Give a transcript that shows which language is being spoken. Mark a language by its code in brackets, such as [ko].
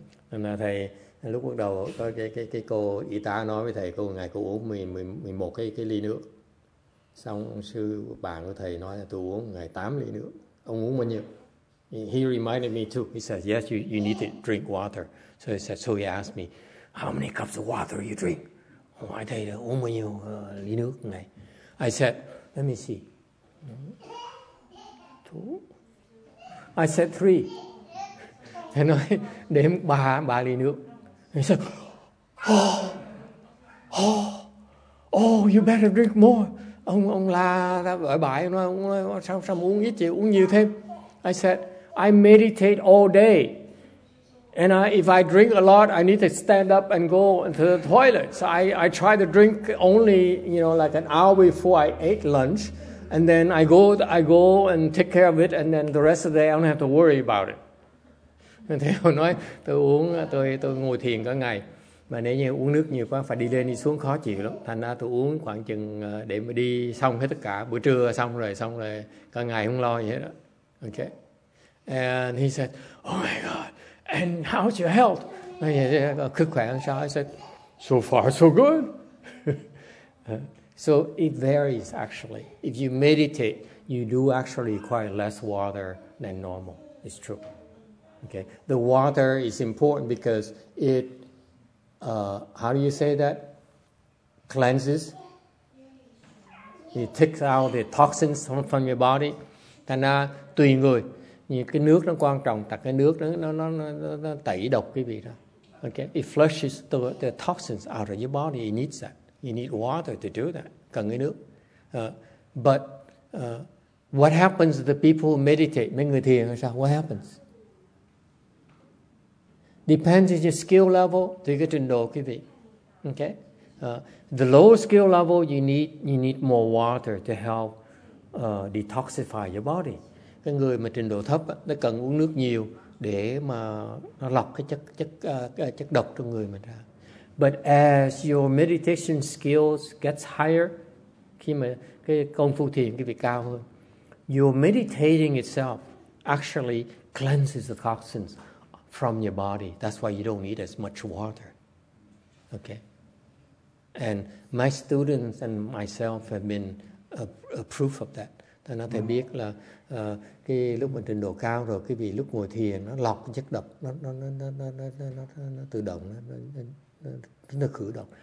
[vi] And thầy, lúc bắt đầu, cái cô y tá nói với thầy, cô ngày cô uống 11 cái ly nước. Xong sư bạn của thầy nói là tôi uống ngày 8 ly nước. Ông uống bao nhiêu? [en] He reminded me too. He said, yes, you need to drink water. So he said, so he asked me, how many cups of water you drink? Oh, I tell you, how many [vi] ly nước này? [en] I said, let me see. Two. I said three. [vi] He nói đếm ba ly nước. [en] He said, oh, you better drink more. [vi] Ông la ra gọi bài nói ông sao uống ít chịu uống nhiều thêm. [en] I said, I meditate all day. And if I drink a lot, I need to stand up and go to the toilet. So I try to drink only, you know, like an hour before I ate lunch. And then I go and take care of it. And then the rest of the day, I don't have to worry about it. [vi] Thế họ nói, tôi ngồi thiền cả ngày. Mà nếu như uống nước nhiều quá, phải đi lên đi xuống khó chịu lắm. Thành ra tôi uống khoảng chừng để mà đi xong hết tất cả. Bữa trưa xong rồi, cả ngày không lo gì hết đó. [en] Okay. And he said, oh my God. And how's your health? I said, so far, so good. So it varies, actually. If you meditate, you do actually require less water than normal. It's true. Okay. The water is important because it, how do you say that? cleanses. It takes out the toxins from your body. [vi] Thành ra tùy người, nhưng cái nước nó quan trọng, tại cái nước nó tẩy độc cái vị đó. [en] Okay, it flushes the toxins out of your body. It needs that. You need water to do that. [vi] Cần cái nước. [en] But what happens to the people who meditate? [vi] Mấy người thiền sao? [en] What happens? Depends on your skill level, [vi] tùy cái trình độ quý vị. [en] Okay? The lower skill level, you need more water to help detoxify your body. [vi] Cái người mà trình độ thấp nó cần uống nước nhiều để mà nó lọc cái chất độc trong người mình ra. [en] But as your meditation skills gets higher, [vi] khi mà cái công phu thiền cái vị cao hơn, [en] your meditating itself actually cleanses the toxins from your body. That's why you don't need as much water. Okay? And my students and myself have been a proof of that. [vi] Thầy nói thầy biết là cái lúc mình trình độ cao rồi, cái vị lúc ngồi thiền nó lọc chất độc, nó tự động, nó khử độc.